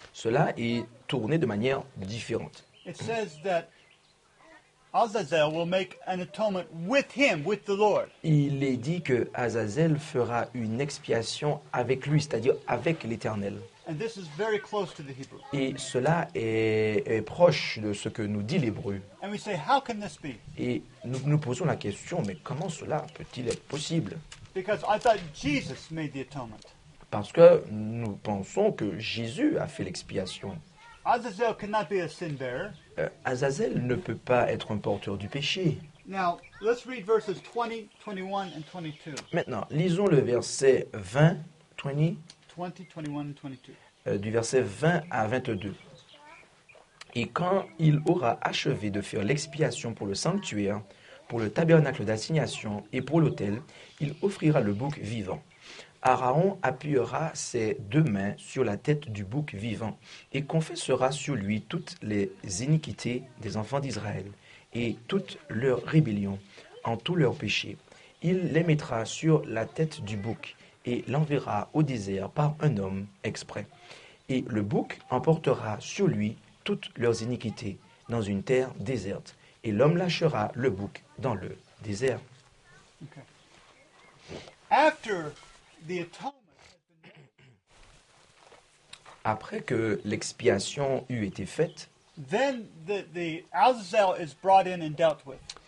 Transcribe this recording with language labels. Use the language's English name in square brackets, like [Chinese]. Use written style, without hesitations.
[French] Cela est tourné de manière différente. [English] It says that. Azazel will make an atonement with him, with the Lord. [French] Il est dit que Azazel fera une expiation avec lui, c'est-à-dire avec l'Éternel. [English] And this is very close to the Hebrew. [French] Et cela est proche de ce que nous dit l'Hébreu. [English] And we say, how can this be? [French] Et nous posons la question, mais comment cela peut-il être possible? [English] Because I thought Jesus made the atonement. [French] Parce que nous pensons que Jésus a fait l'expiation. [English] Azazel cannot be a sin bearer. [French] Azazel ne peut pas être un porteur du péché. [English] Now, let's read verses 20, 21 and 22. [French] Maintenant, lisons le verset 20, 20, [English] 20 21 and 22. [French] Du verset 20 à 22. Et quand il aura achevé de faire l'expiation pour le sanctuaire, pour le tabernacle d'assignation et pour l'autel, il offrira le bouc vivant. Aaron appuiera ses deux mains sur la tête du bouc vivant et confessera sur lui toutes les iniquités des enfants d'Israël et toute leur rébellion en tous leurs péchés. Il les mettra sur la tête du bouc et l'enverra au désert par un homme exprès. Et le bouc emportera sur lui toutes leurs iniquités dans une terre déserte. Et l'homme lâchera le bouc dans le désert. [English] Okay. After... The atonement. [French] après que l'expiation eut été faite, [English] then the Azazel is brought in and dealt with.